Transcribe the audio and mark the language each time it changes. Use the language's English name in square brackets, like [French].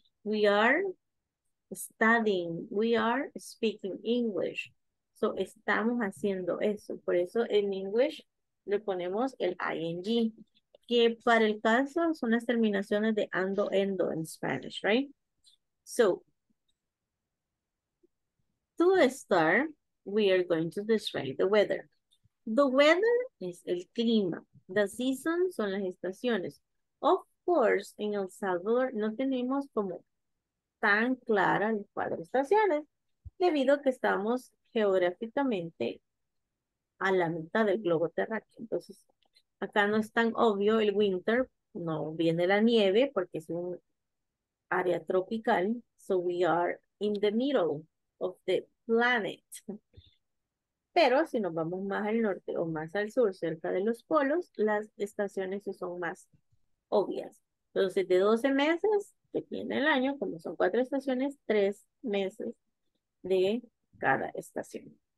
[English] We are studying. We are speaking English. [Spanish] So, estamos haciendo eso. Por eso, en English, le ponemos el ing. Que para el caso, son las terminaciones de ando, endo en Spanish, right? [English] So, to start, we are going to describe the weather. The weather is [Spanish] el clima. [English] The season [Spanish] son las estaciones. Of course, en El Salvador no tenemos como tan clara las cuatro estaciones debido a que estamos geográficamente a la mitad del globo terráqueo. Entonces, acá no es tan obvio el winter. No viene la nieve porque es un área tropical. [English] So we are in the middle of the planet. [Spanish] Pero si nos vamos más al norte o más al sur, cerca de los polos, las estaciones son más obvias. Entonces, de 12 meses que tiene el año, como son cuatro estaciones, 3 meses de cada estación.